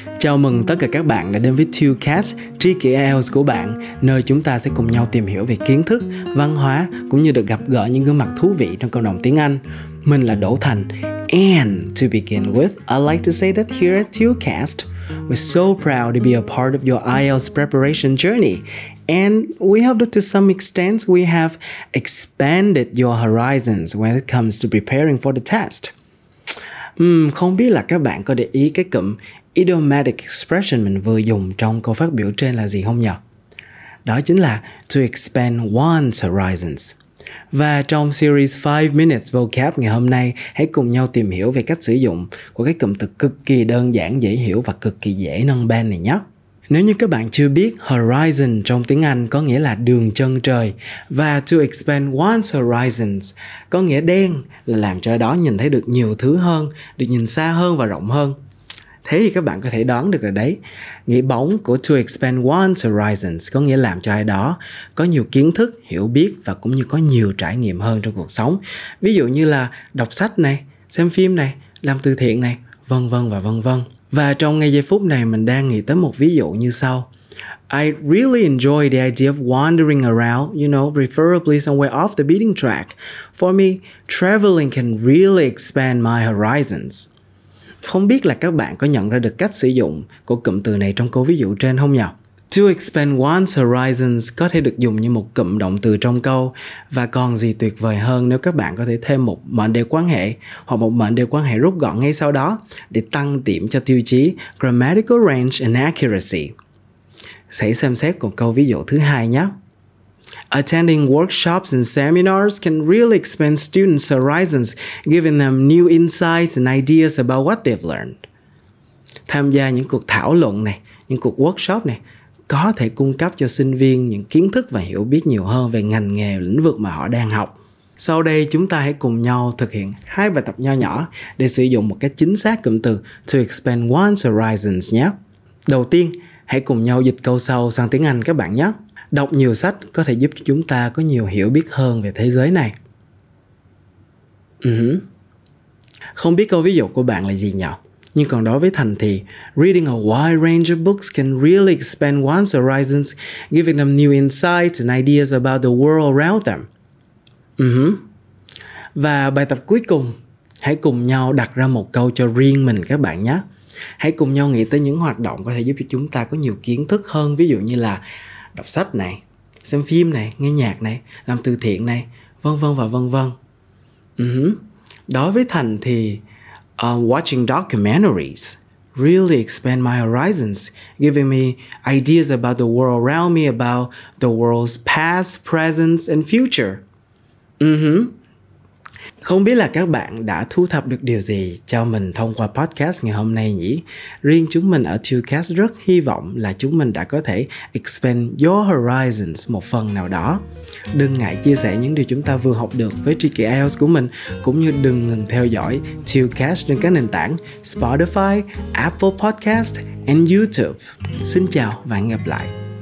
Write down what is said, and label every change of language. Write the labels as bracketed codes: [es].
[vi] Chào mừng tất cả các bạn đã đến với TuCast, Tri Kỷ IELTS của bạn, nơi chúng ta sẽ cùng nhau tìm hiểu về kiến thức, văn hóa, cũng như được gặp gỡ những gương mặt thú vị trong cộng đồng tiếng Anh. Mình là Đỗ Thành. [en] And to begin with, I'd like to say that here at TuCast, we're so proud to be a part of your IELTS preparation journey. And we hope that to some extent we have expanded your horizons when it comes to preparing for the test. [vi] Không biết là các bạn có để ý cái cụm idiomatic expression mình vừa dùng trong câu phát biểu trên là gì không nhỉ? Đó chính là [en] to expand one's horizons. [vi] Và trong series 5 Minutes Vocab ngày hôm nay, hãy cùng nhau tìm hiểu về cách sử dụng của cái cụm từ cực kỳ đơn giản, dễ hiểu và cực kỳ dễ nâng ban này nhé. Nếu như các bạn chưa biết, horizon trong tiếng Anh có nghĩa là đường chân trời, và [en] to expand one's horizons [vi] có nghĩa đen là làm cho đó nhìn thấy được nhiều thứ hơn, được nhìn xa hơn và rộng hơn. Thế thì các bạn có thể đoán được rồi đấy, nghĩa bóng của [en] to expand one's horizons [vi] có nghĩa làm cho ai đó có nhiều kiến thức, hiểu biết và cũng như có nhiều trải nghiệm hơn trong cuộc sống. Ví dụ như là đọc sách này, xem phim này, làm từ thiện này, vân vân và vân vân. Và trong ngay giây phút này mình đang nghĩ tới một ví dụ như sau. [en] I really enjoy the idea of wandering around, you know, preferably somewhere off the beaten track. For me, traveling can really expand my horizons. [vi] Không biết là các bạn có nhận ra được cách sử dụng của cụm từ này trong câu ví dụ trên không nhỉ? [en] To expand one's horizons [vi] có thể được dùng như một cụm động từ trong câu. Và còn gì tuyệt vời hơn nếu các bạn có thể thêm một mệnh đề quan hệ hoặc một mệnh đề quan hệ rút gọn ngay sau đó để tăng điểm cho tiêu chí [en] grammatical range and accuracy. [vi] Hãy xem xét của câu ví dụ thứ hai nhé. [en] Attending workshops and seminars can really expand students' horizons, giving them new insights and ideas about what they've learned. [vi] Tham gia những cuộc thảo luận này, những cuộc workshop này, có thể cung cấp cho sinh viên những kiến thức và hiểu biết nhiều hơn về ngành nghề, lĩnh vực mà họ đang học. Sau đây chúng ta hãy cùng nhau thực hiện hai bài tập nho nhỏ để sử dụng một cách chính xác cụm từ [en] to expand one's horizons [vi] nhé. Đầu tiên, hãy cùng nhau dịch câu sau sang tiếng Anh các bạn nhé. Đọc nhiều sách có thể giúp chúng ta có nhiều hiểu biết hơn về thế giới này. Không biết câu ví dụ của bạn là gì nhỉ? Nhưng còn đối với Thành thì [en] reading a wide range of books can really expand one's horizons, giving them new insights and ideas about the world around them. [vi] Và bài tập cuối cùng, hãy cùng nhau đặt ra một câu cho riêng mình các bạn nhé. Hãy cùng nhau nghĩ tới những hoạt động có thể giúp cho chúng ta có nhiều kiến thức hơn, ví dụ như là đọc sách này, xem phim này, nghe nhạc này, làm từ thiện này, vân vân và vân vân. Đối với Thành thì [en] watching documentaries really expand my horizons, giving me ideas about the world around me, about the world's past, present and future. [vi] Không biết là các bạn đã thu thập được điều gì cho mình thông qua podcast ngày hôm nay nhỉ? Riêng chúng mình ở TuCast rất hy vọng là chúng mình đã có thể [en] expand your horizons [vi] một phần nào đó. Đừng ngại chia sẻ những điều chúng ta vừa học được với Tri Kỷ IELTS của mình, cũng như đừng ngừng theo dõi TuCast trên các nền tảng Spotify, Apple Podcast and YouTube. Xin chào và hẹn gặp lại.